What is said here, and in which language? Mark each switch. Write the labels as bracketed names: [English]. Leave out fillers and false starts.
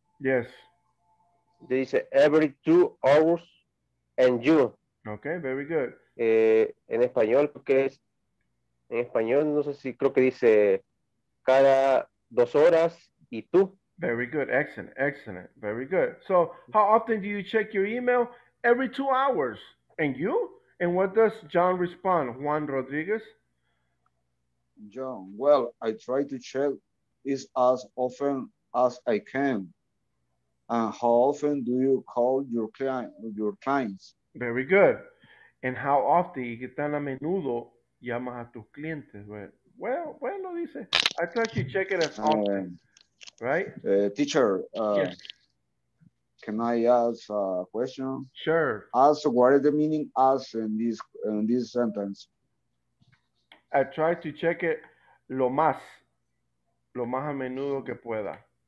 [English] Yes. Dice every 2 hours and you. Okay, very good. [Spanish] En español, porque es en español, no sé si creo que dice cada 2 horas y tú. [English] Very good. Excellent. Excellent. Very good. So, how often do you check your email? Every 2 hours. And you? And what does John respond? Juan Rodriguez? John, well, I try to check it as often as I can. And how often do you call your clients? [Spanish] Very good. And how often, y qué tan a menudo llamas a tus clientes, right? [English] Well, bueno, dice, I try to check it as often, right? Teacher, yes. Can I ask a question? Sure. Ask, what is the meaning ask in this sentence? I try to check it lo más a menudo que pueda.